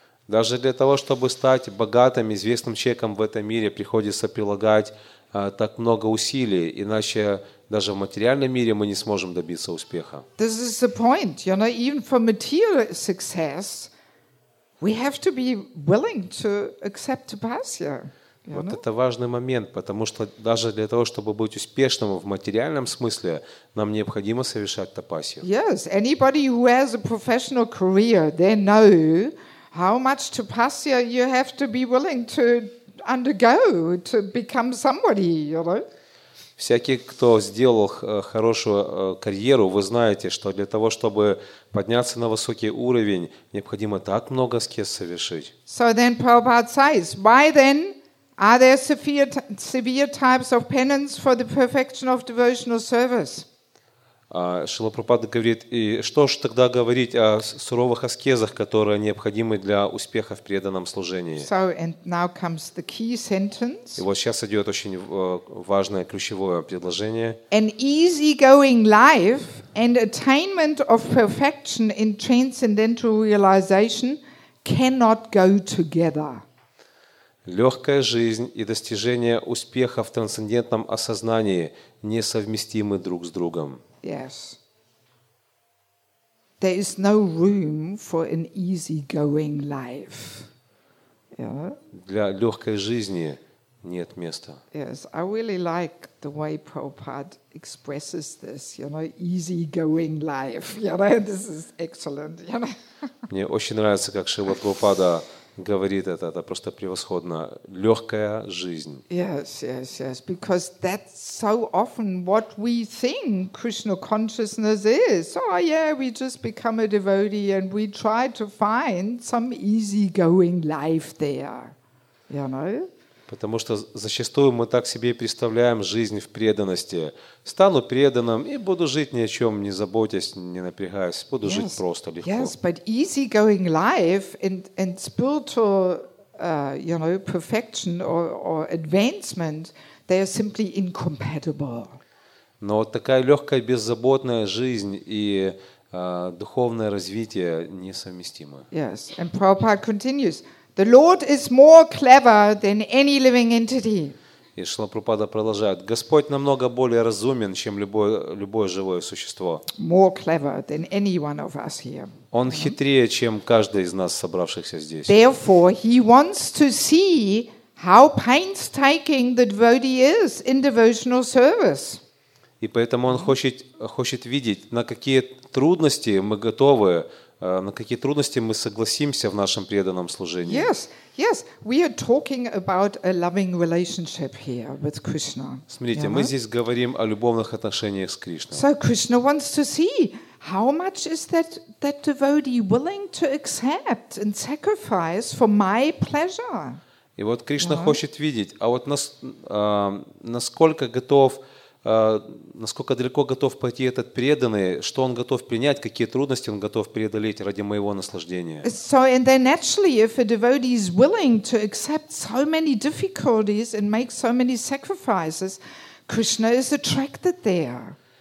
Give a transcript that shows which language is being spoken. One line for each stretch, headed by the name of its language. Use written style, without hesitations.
Russian: Даже для того, чтобы стать богатым, известным человеком в этом мире, приходится прилагать так много усилий, иначе даже в материальном мире мы не сможем добиться успеха.
English: This is the point. You know, even for material success, we have to be willing to accept tapasya.
Russian: Вот это важный момент, потому что даже для того, чтобы быть успешным в материальном смысле, нам необходимо совершать тапасью.
English: Yes, anybody who has a professional career, they know how much tapasya you have to be willing to undergo to become somebody, you know?
Russian: Всякий, кто сделал хорошую карьеру, вы знаете, что для того, чтобы подняться на высокий уровень, необходимо так много аскез совершить.
English: So then Prabhupada says, why then are there severe types of penance for the perfection of devotional service?
Russian: Шрила Прабхупада говорит, и что ж тогда говорить о суровых аскезах, которые необходимы для успеха в преданном служении?
English: So, and now comes the key sentence.
Russian: И вот сейчас идет очень важное ключевое предложение.
English: An easygoing life and attainment of perfection in transcendental realization cannot go together.
Russian: Легкая жизнь и достижение успеха в трансцендентном осознании несовместимы друг с другом.
English: Yes. There is no room for an easygoing life. Yeah.
Russian: Для легкой жизни нет места.
English: Yes, I really like the way Prabhupada expresses this. You know, easygoing life. You know, this is excellent. You know.
Russian: Мне очень нравится, как Шрила Прабхупада говорит это просто превосходно. Легкая жизнь.
English: Yes, yes, yes. Because that's so often what we think Krishna consciousness is. Oh yeah, we just become a devotee and we try to find some easygoing life there. You know?
Russian: Потому что зачастую мы так себе представляем жизнь в преданности. Стану преданным и буду жить ни о чем, не заботясь, не напрягаясь. Буду
English: yes,
Russian: жить просто, легко.
English: Yes, but easygoing life and spiritual you know, perfection or advancement, they are simply incompatible.
Russian: Но вот такая легкая, беззаботная жизнь и духовное развитие несовместимы.
English: Yes, and Prabhupada continues. The Lord is more clever than any living entity.
Russian: И Шрила Прабхупада продолжает: Господь намного более разумен, чем любое живое существо.
English: More clever than any one of us here.
Russian: Он хитрее, чем каждый из нас, собравшихся здесь.
English: Therefore, he wants to see how painstaking the devotee is in devotional service.
Russian: И поэтому он хочет видеть, на какие трудности мы готовы на какие трудности мы согласимся в нашем преданном служении.
English: Yes, yes, we are talking about a loving relationship here with Krishna.
Russian: Смотрите, мы здесь говорим о любовных отношениях с Кришной.
English: So Krishna wants to see how much is that devotee willing to accept and sacrifice for my pleasure.
Russian: И вот Кришна хочет видеть, а вот насколько готов, насколько далеко готов пойти этот преданный, что он готов принять, какие трудности он готов преодолеть ради моего наслаждения.
English: So and then naturally, if a devotee is willing to accept so many difficulties and make so many sacrifices, Krishna is attracted there.